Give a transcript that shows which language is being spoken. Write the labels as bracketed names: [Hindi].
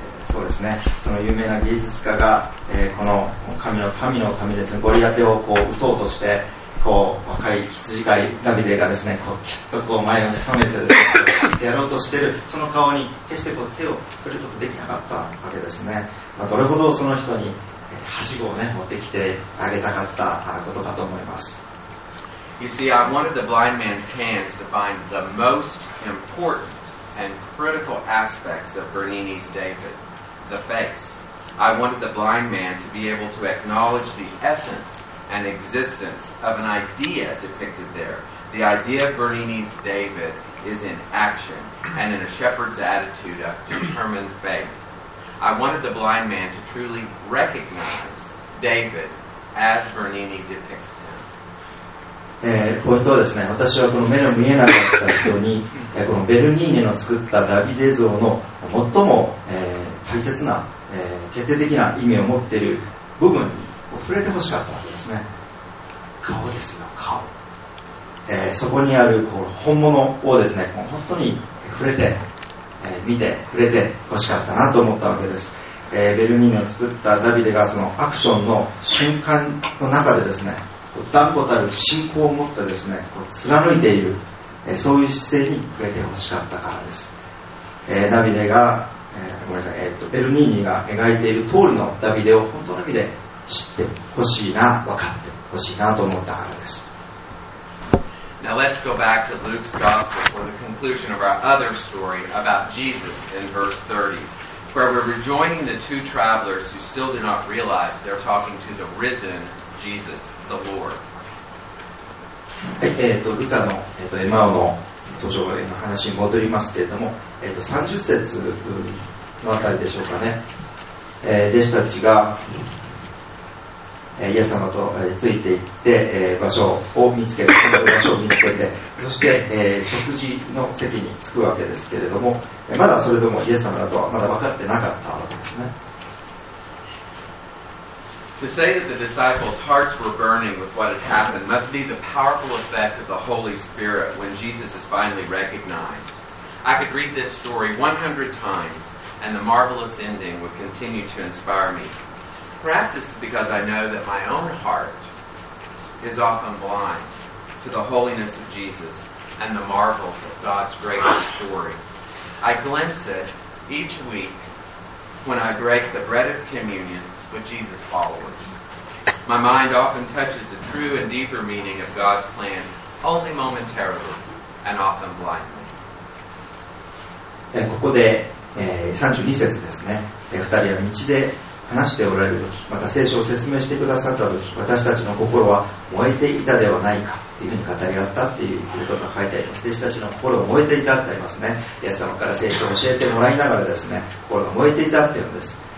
[Japanese] そうですね、その有名な芸術家が、この神の民のためですね、ゴリアテをこう打とうとして、こう若い羊飼いダビデがですね、こうきっとこう前を努めてですね、やろうとしている、その顔に決してこう手を触れることができなかったわけですね。まあ、どれほどその人にはしごを、ね、持ってきてあげたかったことかと思います。 [English] You see, I wanted the blind man's hands to find the most important and critical aspects of Bernini's David, the face. I wanted the blind man to be able to acknowledge the essencean existence of an idea depicted there. The idea of Bernini's David is in action and in a shepherd's attitude of determined faith. I wanted the blind man to truly recognize David as Bernini depicts him. [Japanese] ポイントはですね、私はこの目の見えなかった人に、このベルニーニの作ったダビデ像の最も、大切な、決定的な意味を持っている部分に触れて欲しかったわけですね。顔ですよ、顔。そこにあるこう本物をですね、本当に触れて、見て触れて欲しかったなと思ったわけです。ベルニーニを作ったダビデがそのアクションの瞬間の中でですね、断固たる信仰を持ってですね、こう貫いている、そういう姿勢に触れて欲しかったからです。ダビデが、ごめんなさい、ベルニーニが描いている通りのダビデを本当の意味で知ってほしいな、分かってほしいなと思ったからです。 [English] Now let's go back to Luke's Gospel for the conclusion of our other story about Jesus in verse 30, where we're rejoining the two travelers who still do not realize they're talking to the risen Jesus, the Lord. [Japanese] ルカの、エマオの途上の話に戻りますけれども、30節のあたりでしょうかね、弟子たちがイエス様とついていって、場所を見つけて、その場所を見つけて、そして、食事の席に着くわけですけれども、まだそれでもイエス様だとはまだ分かってなかったわけですね。 [English] To say that the disciples' hearts were burning with what had happened must be the powerful effect of the Holy Spirit when Jesus is finally recognized. I could read this story 100 times, and the marvelous ending would continue to inspire me. Perhaps it's because I know that my own heart is often blind to the holiness of Jesus and the marvels of God's greater story. I glimpse it each week when I break the bread of communion with Jesus' followers. My mind often touches the true and deeper meaning of God's plan only momentarily and often blindly. [Japanese] ここで、32節ですね。二人は道で話しておられるとき、また聖書を説明してくださったとき、私たちの心は燃えていたではないかというふうに語り合ったっていうことが書いてあります。弟子たちの心が燃えていたってありますね。イエス様から聖書を教えてもらいながらですね、心が燃えていたっていうんです。